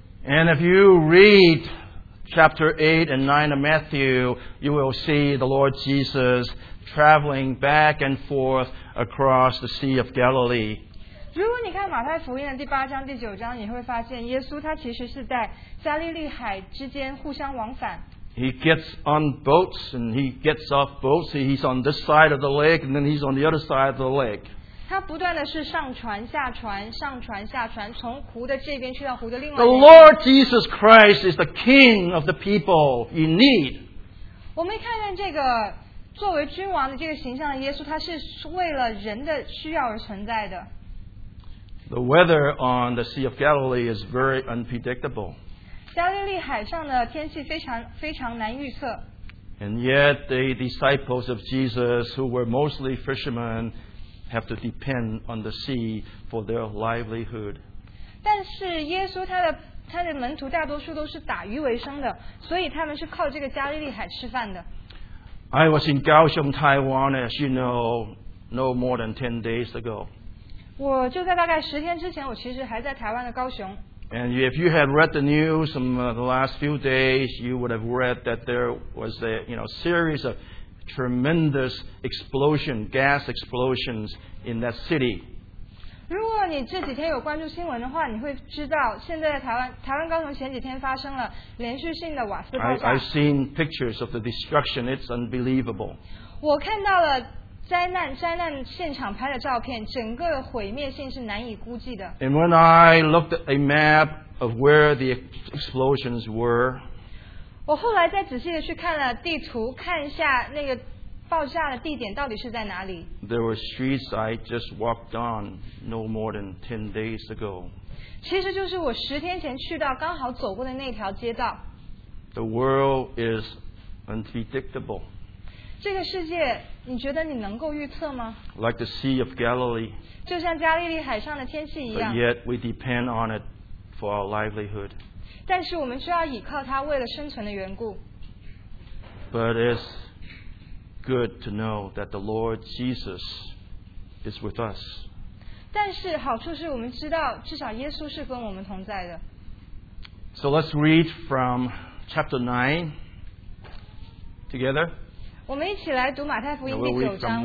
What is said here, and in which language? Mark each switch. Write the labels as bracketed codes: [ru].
[en] And if you read chapter 8 and 9 of Matthew, you will see the Lord Jesus traveling back and forth across the Sea of Galilee. [zh] 如果你看马太福音的第八章、第九章，你会发现耶稣他其实是在加利利海之间互相往返。 [en] He gets on boats and he gets off boats. He's on this side of the lake and then he's on the other side of the lake. [zh] 他不断的是上船、下船、上船、下船，从湖的这边去到湖的另外一边。 [en] The Lord Jesus Christ is the King of the people in need. [zh] 我们看见这个作为君王的这个形象的耶稣，他是为了人的需要而存在的。 [en] The weather on the Sea of Galilee is very unpredictable. [zh] 加利利海上的天气非常难预测。 [en] And yet the disciples of Jesus, who were mostly fishermen, have to depend on the sea for their livelihood. [zh] 但是耶稣他的门徒大多数都是打鱼为生的，所以他们是靠这个加利利海吃饭的。 [en] I was in Kaohsiung, Taiwan, as you know, no more than 10 days ago. [zh] 我就在大概十天之前，我其实还在台湾的高雄。 [en] And if you had read the news from the last few days, you would have read that there was a series of tremendous explosion, gas explosions in that city. [zh] 如果你这几天有关注新闻的话，你会知道现在台湾高雄前几天发生了连续性的瓦斯爆炸。 [en] I've seen pictures of the destruction. It's unbelievable. [zh] 我看到了。灾难现场拍的照片，整个的毁灭性是难以估计的。 [en] And when I looked at a map of where the explosions were, [zh] 我后来再仔细的去看了地图，看一下那个爆炸的地点到底是在哪里。 [en] There were streets I just walked on no more than 10 days ago. [zh] 其实就是我十天前去到刚好走过的那条街道。 [en] The world is unpredictable. [zh] 这个世界，你觉得你能够预测吗？ [en] Like the Sea of Galilee. [zh] 就像加利利海上的天气一样。 [en] But yet we depend on it for our livelihood. [zh] 但是我们需要依靠它为了生存的缘故。 [en] But it's good to know that the Lord Jesus is with us. [zh] 但是好处是我们知道至少耶稣是跟我们同在的。 [en] So let's read from chapter 9 together. [zh] 我们一起来读马太福音第九章。